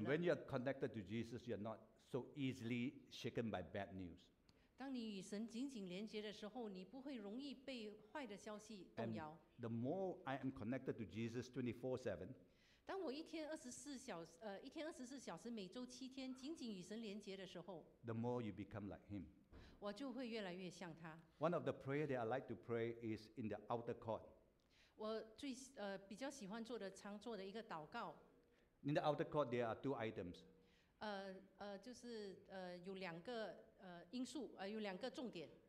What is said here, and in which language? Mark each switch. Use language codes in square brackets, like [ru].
[en] And when you are connected to Jesus, you are not so easily shaken by bad news. [zh] 当你与神紧紧连结的时候，你不会容易被坏的消息动摇。 [en] And the more I am connected to Jesus 24/7. [zh] 当我一天二十四小时，一天二十四小时，每周七天，紧紧与神连接的时候 [en] ，The more you become like him， [zh] 我就会越来越像他。 [en] One of the prayer that I like to pray is in the outer court。 [zh] 我最比较喜欢做的常做的一个祷告。 [en] In the outer court, there are two items。 [zh] 就是有两个因素，有两个重点。